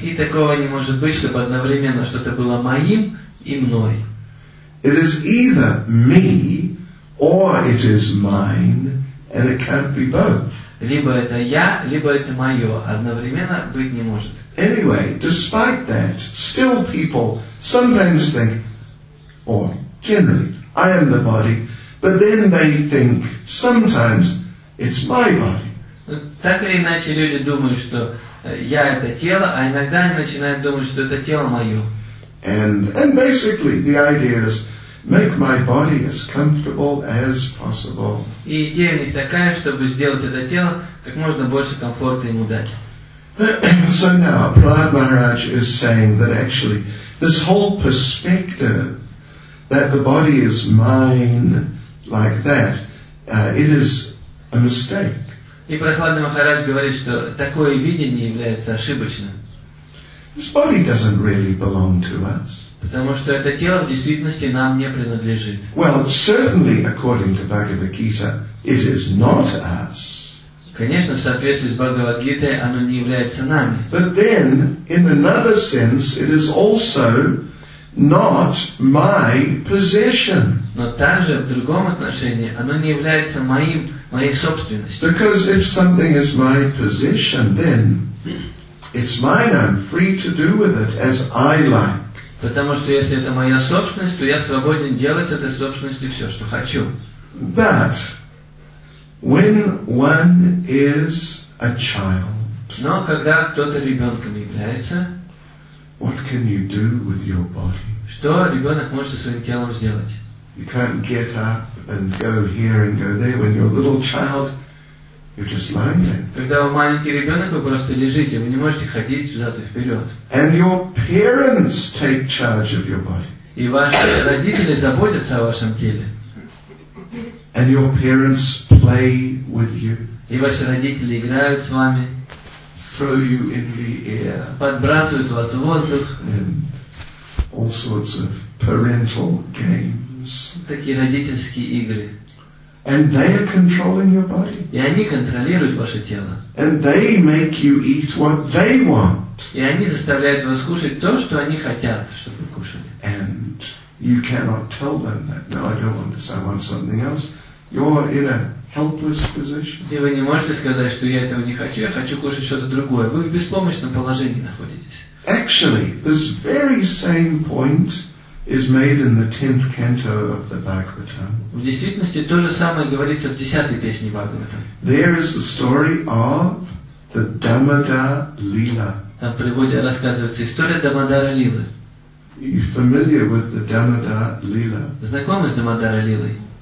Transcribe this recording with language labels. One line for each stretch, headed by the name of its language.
Russian: И такого не может быть, чтобы одновременно что-то было моим и мной.
English: It is either me or it is mine. And it can't be both.
Russian: Либо это я, либо это мое. Одновременно быть не может.
English: Anyway, despite that, still people sometimes think, or generally, I am the body, but then they think sometimes it's my body.
Russian: Так или иначе, люди думают, что я это тело, а иногда они начинают думать, что это тело мое.
English: And basically, the idea is, make my body as comfortable as possible.
Russian: И идея у них такая, чтобы сделать это тело как можно больше комфорта ему дать.
English: So now, Prahlad Maharaj is saying that actually this whole perspective that the body is mine like that, it is a mistake.
Russian: И Прахлада Махарадж говорит, что такое видение является ошибочным.
English: This body doesn't really belong to us.
Russian: Потому что это тело в действительности нам не принадлежит.
English: Well, certainly, according to Bhagavad Gita, it is not us.
Russian: Конечно, в соответствии с Бхагавад Гитой, оно не является нами.
English: But then, in another sense, it is also not my possession.
Russian: Но также в другом отношении оно не является моим, моей собственностью.
English: Because if something is my possession, then it's mine. I'm free to do with it as I like.
Russian: Потому что если это моя собственность, то я свободен делать этой собственностью все, что хочу.
English: But when one is a child,
Russian: но когда кто-то ребенком является,
English: what can you do with your body?
Russian: Что ребенок может со своим телом сделать?
English: You can't get up and go here and go there when you're a little child. You're just lying there.
Russian: Когда вы маленький ребенок, вы просто лежите, вы не можете ходить взад и вперед.
English: And your parents take charge of your body.
Russian: И ваши родители заботятся о вашем теле.
English: And your parents play with you.
Russian: И ваши родители играют с вами.
English: Throw you in the air.
Russian: Подбрасывают вас в воздух.
English: And all sorts of parental games.
Russian: Такие родительские игры.
English: And they are controlling your body.
Russian: И они контролируют ваше тело.
English: And they make you eat what they want.
Russian: И они заставляют вас кушать то, что они хотят, чтобы вы кушали.
English: And you cannot tell them that. No, I don't want this. I want something else. You're in a helpless position.
Russian: И вы не можете сказать, что я этого не хочу. Я хочу кушать что-то другое. Вы в беспомощном положении находитесь.
English: Actually, this very same point is made in the 10th canto of the Bhagavatam.
Russian: В действительности то же самое говорится в 10-й песне Бхагаватам.
English: There is the story of the Damodara Leela.
Russian: Там рассказывается история Дамодара Лилы.
English: You familiar with the Damodara Leela?
Russian: Знакомы с Дамодара Лилой?